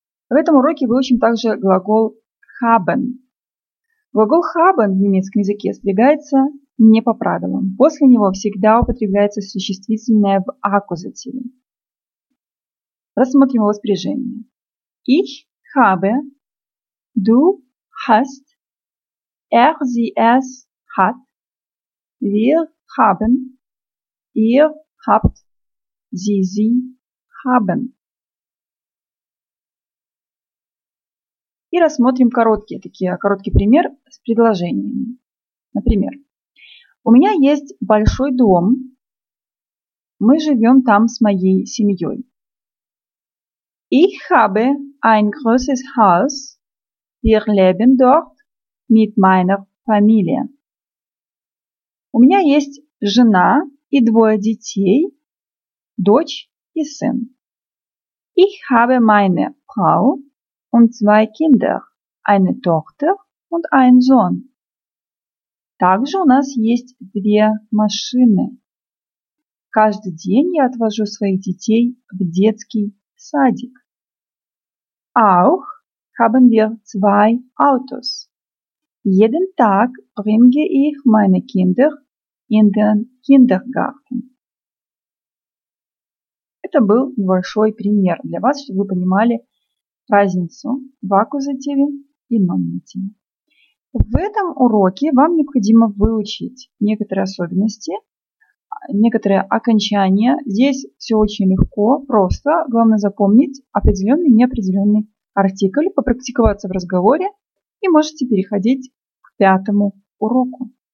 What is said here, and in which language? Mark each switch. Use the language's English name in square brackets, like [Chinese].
[Russian] В этом уроке выучим также глагол haben. Глагол haben в немецком языке сдвигается не по правилам. После него всегда употребляется существительное в аккузативе. Рассмотрим его спряжение. [German] Ich habe, du hast, er, sie, es hat, wir haben, ihr habt, sie haben. [Russian] И рассмотрим короткий пример с предложениями. Например. У меня есть большой дом. Мы живем там с моей семьей. [German] Ich habe ein großes Haus. Wir leben dort mit meiner Familie. [Russian] У меня есть жена и двое детей, дочь и сын. [German] Ich habe meine Frau und zwei Kinder, eine Tochter und ein Sohn. [Russian] Также у нас есть две машины. Каждый день я отвожу своих детей в детский садик. [German] Auch haben wir zwei Autos. Jeden Tag bringe ich meine Kinder in den Kindergarten. [Russian] Это был небольшой пример для вас, чтобы вы понимали разницу в аккузативе и номинативе. В этом уроке вам необходимо выучить некоторые особенности, некоторые окончания. Здесь все очень легко, просто. Главное запомнить определенный и неопределенный артикль, попрактиковаться в разговоре и можете переходить к пятому уроку.